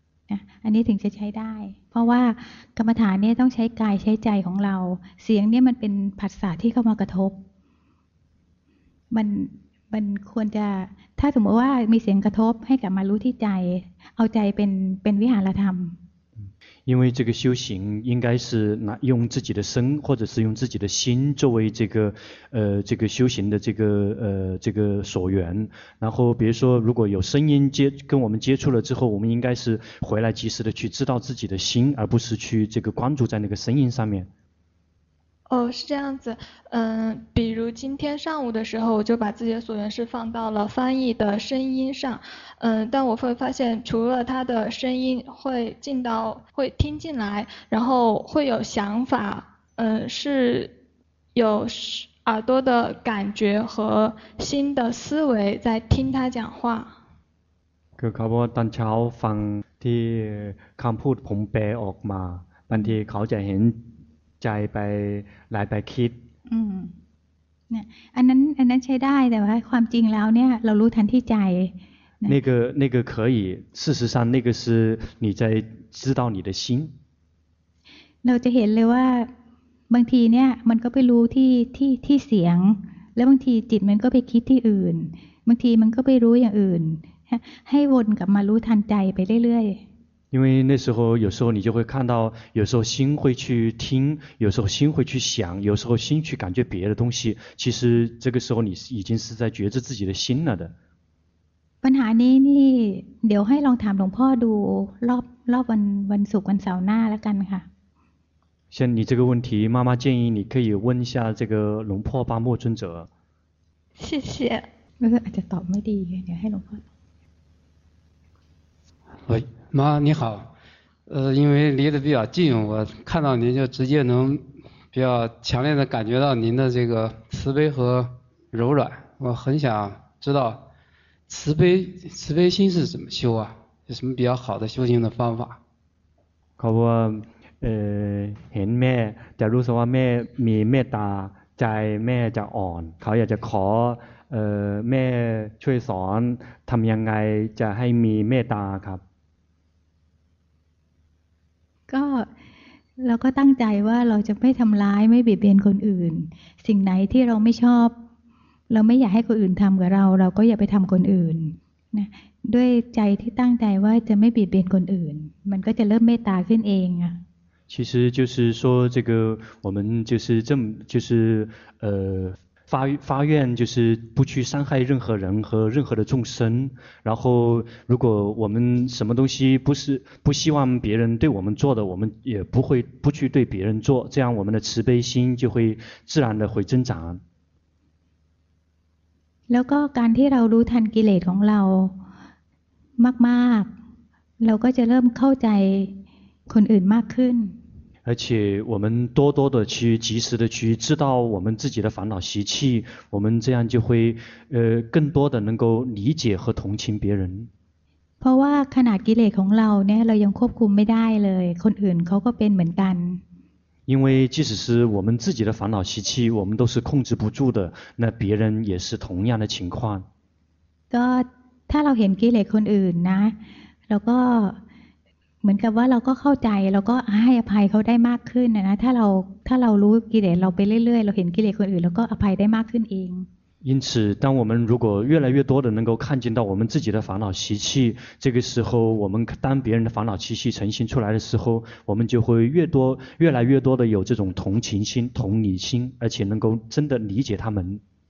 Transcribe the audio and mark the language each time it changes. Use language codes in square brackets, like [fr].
[th] นะอันนี้ถึงจะใช้ได้เพราะว่ากรรมฐานเนี่ยต้องใช้กายใช้ใจของเราเสียงเนี่ยมันเป็นผัสสะที่เข้ามากระทบมันควรจะถ้าสมมติว่ามีเสียงกระทบให้กลับมารู้ที่ใจเอาใจเป็นวิหารธรรม [zh] 因为这个修行应该是拿用自己的身或者是用自己的心作为这个修行的这个所缘，然后比如说如果有声音跟我们接触了之后，我们应该是回来及时的去知道自己的心，而不是去这个关注在那个声音上面。哦，是这样子。比如今天上午的时候，我就把自己的所缘是放到了翻译的声音上。但我会发现，除了他的声音会听进来，然后会有想法，是有耳朵的感觉和心的思维在听他讲话。 [th] คือเขาบอกตอนเช้าฟังที่คำพูดผมแปลออกมาบางทีเขาจะเห็นใจไปไหลไปคิด อันนั้นใช้ได้แต่ว่าความจริงแล้วเนี่ยเรารู้ทันที่ใจ [zh] 那个可以事实上那个是你在知道你的心 [th] เราจะเห็นเลยว่าบางทีเนี่ยมันก็ไปรู้ที่เสียงแล้วบางทีจิตมันก็ไปคิดที่อื่นบางทีมันก็ไปรู้อย่างอื่นให้วนกลับมารู้ทันใจไปเรื่อยๆ [zh] 因为那时候有时候你就会看到有时候心会去听有时候心会去想有时候心去感觉别的东西其实这个时候你已经是在觉知自己的心了的 [th] ปัญหานี้นี่เดี๋ยวให้ลองถามหลวงพ่อดูรอบวันศุกร์วันเสาร์หน้าแล้วกันค่ะ [zh] 像你这个问题妈妈建议你可以问一下这个龙破巴莫尊者谢谢 [th] ไม่ใช่อาจจะตอบไม่ดีเดี๋ยวให้หลวงพ่ [zh] อ喂妈你好，因为离得比较近，我看到您就直接能比较强烈的感觉到您的这个慈悲和柔软。我很想知道慈悲心是怎么修啊？有什么比较好的修行的方法？ [th] ครับว่าเห็นแม่แต่รู้สึกว่าแม่มีเมตตาใจแม่จะอ่อนเขาอยากจะขอแม่ช่วยสอนทำยังไงจะให้มีเมตตาครับ ก็ เราก็ตั้งใจว่าเราจะไม่ทำร้ายไม่เบียดเบียนคนอื่นสิ่งไหนที่เราไม่ชอบเราไม่อยากให้คนอื่นทำกับเราเราก็อย่าไปทำคนอื่นนะด้วยใจที่ตั้งใจว่าจะไม่เบียดเบียนคนอื่นมันก็จะเริ่มเมตตาขึ้นเองอ่ะ [zh] 其实就是说这个我们就是这么就是发愿就是不去伤害任何人和任何的众生然后如果我们什么东西不希望别人对我们做的我们也不会不去对别人做这样我们的慈悲心就会自然的会增长 [th] แล้วก็การที่เรารู้ทันกิเลสของเรามากๆเราก็จะเริ่มเข้าใจคนอื่นมากขึ้น [zh] 而且我们多多的去及时的去知道我们自己的烦恼习气我们这样就会更多的能够理解和同情别人 [th] เพราะว่าขนาดกิเลสของเราเนี่ยเรายังควบคุมไม่ได้เลยคนอื่นเขาก็เป็นเหมือนกัน [zh] 因为即使是我们自己的烦恼习气我们都是控制不住的那别人也是同样的情况 [th] ก็ถ้าเราเห็นกิเลสคนอื่นนะเราก็เหมือนกับว่าเราก็เข้าใจแล้วก็ให้อภัยเขาได้มากขึ้นนะถ้าเรารู้กิเลสเราไปเรื่อยๆเราเห็นกิเลสคนอื่นแล้วก็อภัยได้มากขึ้นเอง [zh] 因此当我们如果越来越多的能够看见到我们自己的烦恼习气这个时候我们当别人的烦恼习气呈现出来的时候我们就会越来越多的有这种同情心同理心而且能够真的理解他们